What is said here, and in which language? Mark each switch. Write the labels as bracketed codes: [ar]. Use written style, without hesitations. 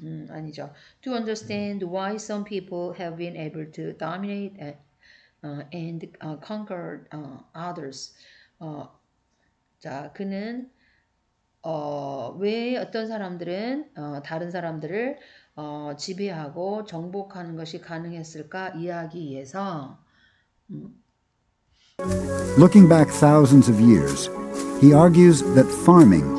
[ko] 아니죠. [en] To understand why some people have been able to dominate and conquer others. [ko] 자, 그는 왜 어떤 사람들은 다른 사람들을 지배하고 정복하는 것이 가능했을까 이해하기 위해서 [en] Looking back thousands of years, he argues that farming